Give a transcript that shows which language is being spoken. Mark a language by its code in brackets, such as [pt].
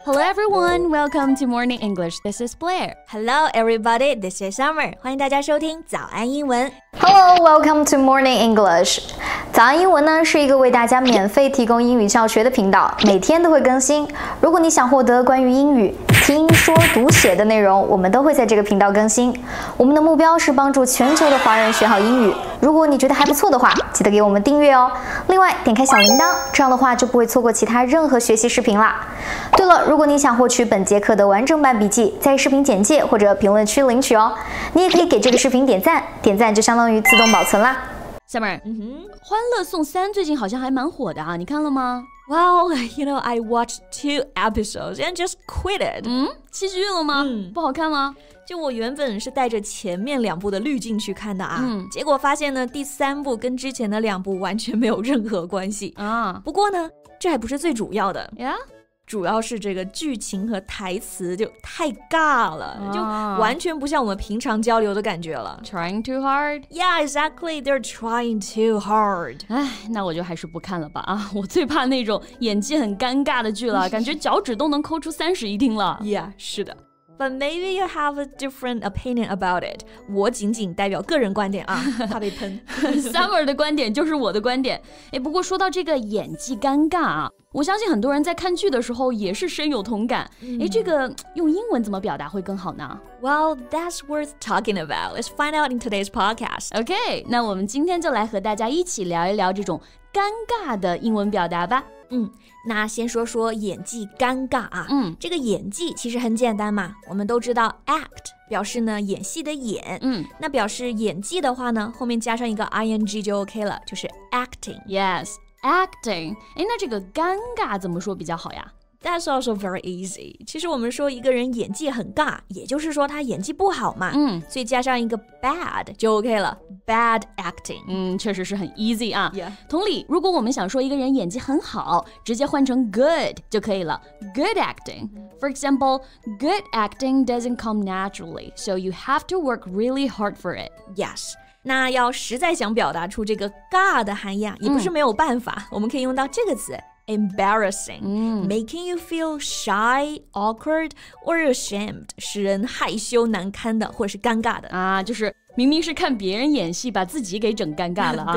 [en] Hello everyone, welcome to Morning English, this is Blair. Hello everybody, this is Summer. [zh] 欢迎大家收听早安英文。 [en] Hello, welcome to Morning English. [zh] 早安英文呢是一个为大家免费提供英语教学的频道，每天都会更新。如果你想获得关于英语听说读写的内容，我们都会在这个频道更新。我们的目标是帮助全球的华人学好英语。如果你觉得还不错的话，记得给我们订阅哦。另外，点开小铃铛，这样的话就不会错过其他任何学习视频啦。对了，如果你想获取本节课的完整版笔记，在视频简介或者评论区领取哦。你也可以给这个视频点赞，点赞就相当于自动保存啦。 Summer, 欢乐颂三最近好像还蛮火的啊，你看了吗？ [en] Well, you know, I watched 2 episodes and just quit it. [zh] 弃剧了吗？不好看吗？就我原本是带着前面两部的滤镜去看的啊，结果发现呢，第三部跟之前的两部完全没有任何关系啊。不过呢，这还不是最主要的 [en] 呀。Yeah? [zh] 主要是这个剧情和台词就太尬了、就完全不像我们平常交流的感觉了。 [en] Trying too hard? Yeah, exactly. They're trying too hard. [zh] 哎，那我就还是不看了吧啊！我最怕那种演技很尴尬的剧了，感觉脚趾都能抠出30一听了。 Yeah, 是的。 [en] But maybe you have a different opinion about it. [zh] 我仅仅代表个人观点啊，怕被喷。 Summer 的观点就是我的观点。哎，不过说到这个演技尴尬啊，我相信很多人在看剧的时候也是深有同感。哎，这个用英文怎么表达会更好呢？ [en] Well, that's worth talking about. Let's find out in today's podcast. [zh] Okay, 那我们今天就来和大家一起聊一聊这种尴尬的英文表达吧。那先说说演技尴尬啊。这个演技其实很简单嘛，我们都知道 act 表示呢演戏的演。那表示演技的话呢，后面加上一个 ing 就 OK 了，就是 acting。 [en] Yes, acting。 [zh] 诶，那这个尴尬怎么说比较好呀？ [en] That's also very easy. [zh] 其实我们说一个人演技很尬，也就是说他演技不好嘛。所以加上一个 bad 就 OK 了， [en] Bad acting. [zh] 确实是很 easy 啊。 [en] Yeah. [zh] 同理，如果我们想说一个人演技很好，直接换成 good 就可以了。 [en] Good acting. For example, good acting doesn't come naturally, so you have to work really hard for it. Yes. [zh] 那要实在想表达出这个尬的含义啊，也不是没有办法。我们可以用到这个词。 [en] Embarrassing, making you feel shy, awkward, or ashamed, [zh] 使人害羞难堪的或是尴尬的。啊，就是明明是看别人演戏，把自己给整尴尬了啊。